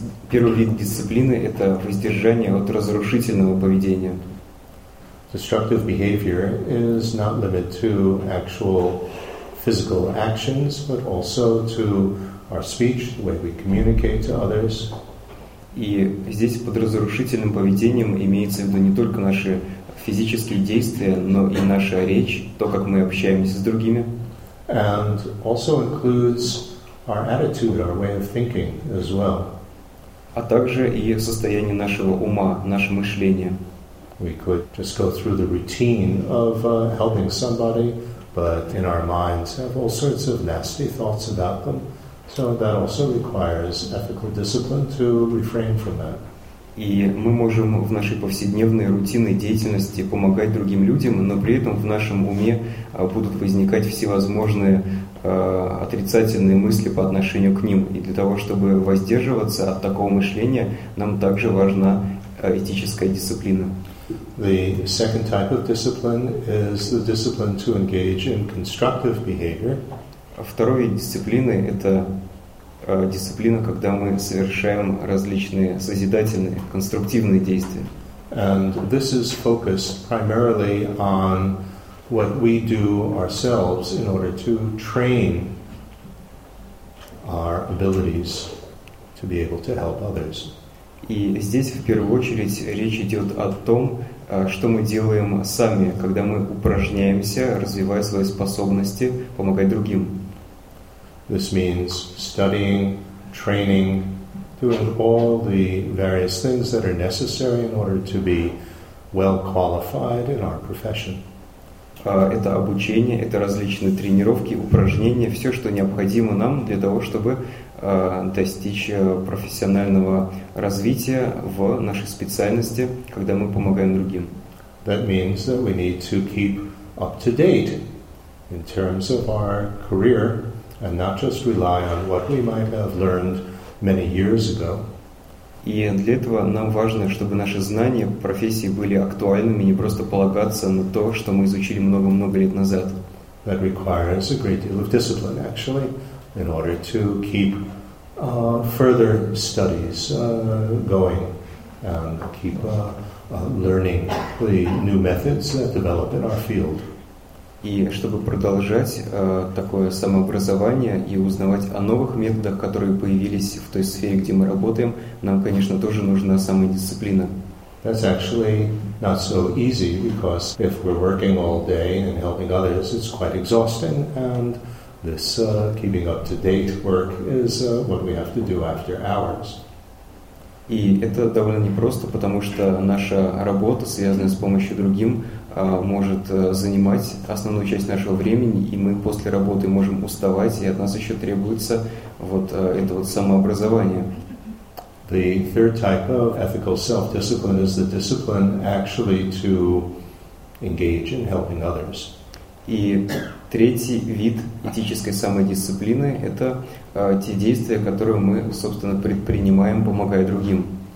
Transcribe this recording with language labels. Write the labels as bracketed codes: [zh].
[ru] Первый вид дисциплины – это воздержание от разрушительного поведения. [en] Destructive behavior is not limited to actual physical actions, but also to our speech, the way we communicate to others. [ru] И здесь под разрушительным поведением имеется в виду не только наши физические действия, но и наша речь, то, как мы общаемся с другими. [en] And also includes our attitude, our way of thinking as well. [ru] А также и состояние нашего ума, наше мышление. [en] We could just go through the routine of helping somebody, but in our minds have all sorts of nasty thoughts about them. So that also requires ethical discipline to refrain from that. [ru] И мы можем в нашей повседневной рутинной деятельности помогать другим людям, но при этом в нашем уме будут возникать всевозможные отрицательные мысли по отношению к ним. И для того, чтобы воздерживаться от такого мышления, нам также важна этическая дисциплина. [en] The second type of discipline is the discipline to engage in constructive behavior. [ru] Второй вид дисциплины – это дисциплина, когда мы совершаем различные созидательные, конструктивные действия. [en] And this is focused primarily on what we do ourselves in order to train our abilities to be able to help others. [ru] И здесь в первую очередь речь идет о том, что мы делаем сами, когда мы упражняемся, развивая свои способности помогать другим. [en] This means studying, training, doing all the various things that are necessary in order to be well qualified in our profession. [ru] Это обучение, это различные тренировки, упражнения, все, что необходимо нам для того, чтобы достичь профессионального развития в нашей специальности, когда мы помогаем другим. [en] That means that we need to keep up to date in terms of our career and not just rely on what we might have learned many years ago. [ru] И для этого нам важно, чтобы наши знания в профессии были актуальными, не просто полагаться на то, что мы изучили много-много лет назад. [en] That requires a great deal of discipline, actually, in order to keep further studies going and keep learning the new methods that develop in our field. [ru] И чтобы продолжать такое самообразование и узнавать о новых методах, которые появились в той сфере, где мы работаем, нам, конечно, тоже нужна самодисциплина. [en] That's actually not so easy, because if we're working all day and helping others, it's quite exhausting, and this keeping up to date work is what we have to do after hours. [ru] И это довольно непросто, потому что наша работа, связанная с помощью другим, может занимать основную часть нашего времени, и мы после работы можем уставать, и от нас еще требуется вот это вот самообразование. [en] The third type of ethical self-discipline is the discipline actually to engage in helping others. [ru] И третий вид этической самодисциплины – это те действия, которые мы, собственно, предпринимаем, помогая другим.